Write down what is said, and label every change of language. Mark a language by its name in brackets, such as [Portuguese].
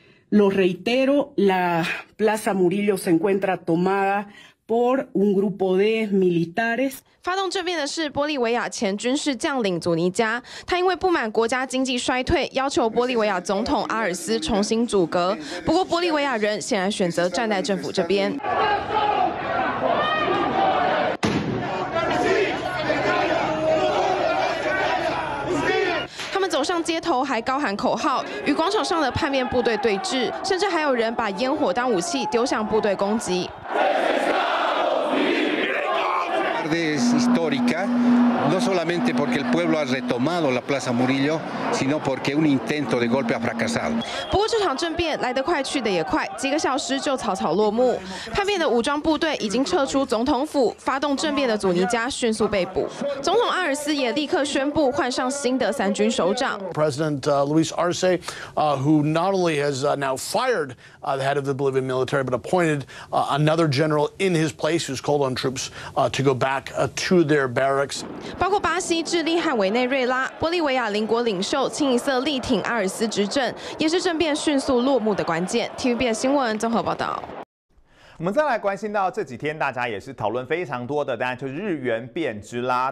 [Spanish] Lo reitero, la Plaza Murillo se encuentra tomada por un grupo de militares. [Chinese] 发动政变的是玻利维亚前军事将领祖尼加，他因为不满国家经济衰退，要求玻利维亚总统阿尔斯重新组阁。不过，玻利维亚人显然选择站在政府这边。走上街头还高喊口号，与广场上的叛变部队对峙，甚至还有人把烟火当武器丢向部队攻击。 [Spanish] Es histórica, no solamente porque el pueblo ha retomado la Plaza Murillo, sino porque un intento de golpe ha fracasado. [Chinese] 不过这场政变来得快去得也快，几个小时就草草落幕。叛变的武装部队已经撤出总统府，发动政变的祖尼加迅速被捕。总统阿尔斯也立刻宣布换上新的三军首长。 [English] President Luis Arce, who not only has now fired the head of the Bolivian military, but appointed another general in his place, who's called on troops to go back. To their barracks. [Chinese] 包括巴西、智利和委内瑞拉，玻利维亚邻国领袖清一色力挺阿尔斯执政，也是政变迅速落幕的关键。 TVBS 新闻综合报道。我们再来关心到这几天大家也是讨论非常多的，当然就是日元贬值啦。